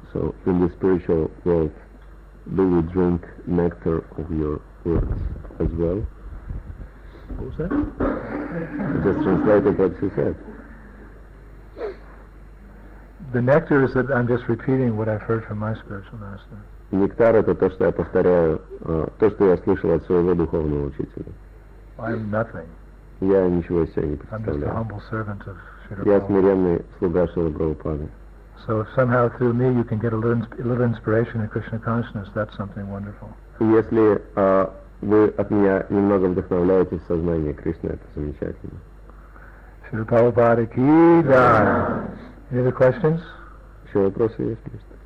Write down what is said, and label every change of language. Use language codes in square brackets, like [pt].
[en] So in the spiritual world, do we drink nectar of your words as well? What was that? Just translated what she said. The nectar is that I'm just repeating what I've heard from my spiritual master. [ru] Нектар — это то, что я повторяю, то, что я слышал от своего духовного учителя. [en] I'm nothing. [ru] Я ничего из себя не представляю. [en] I'm just a humble servant of Srila [ru] Prabhupada. Я смиренный слуга Шрилы Прабхупады. [en] So if somehow through me you can get a little inspiration in Krishna consciousness, that's something wonderful. [ru] Если вы от меня немного вдохновляетесь в сознании Кришны, это замечательно. Шрила Прабхупада ки джай. [en] Any other questions? [ru] Еще вопросы есть, мистер?